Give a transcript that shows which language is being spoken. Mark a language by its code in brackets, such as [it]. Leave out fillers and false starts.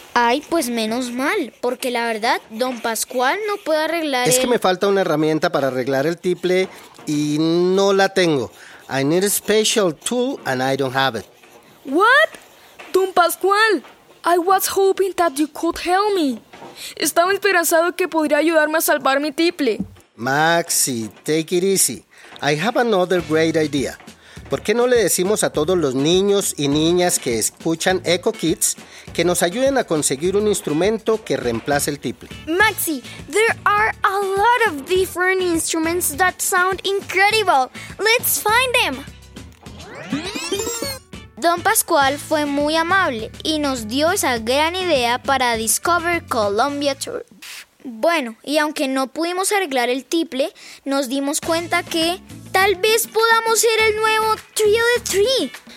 [es] Ay, pues menos mal, porque la verdad, don Pascual no puede arreglar Es que me falta una herramienta para arreglar el tiple y no la tengo. [en] I need a special tool and I don't have it. What? Don Pascual, I was hoping that you could help me. [es] Estaba esperanzado que podría ayudarme a salvar mi tiple. [en] Maxi, take it easy. I have another great idea. [es] ¿Por qué no le decimos a todos los niños y niñas que escuchan Echo Kids que nos ayuden a conseguir un instrumento que reemplace el tiple? [en] Maxi, there are a lot of different instruments that sound incredible. Let's find them. [es] Don Pascual fue muy amable y nos dio esa gran idea para Discover Columbia Tour. Bueno, y aunque no pudimos arreglar el tiple, nos dimos cuenta que tal vez podamos ser el nuevo Trio de Three.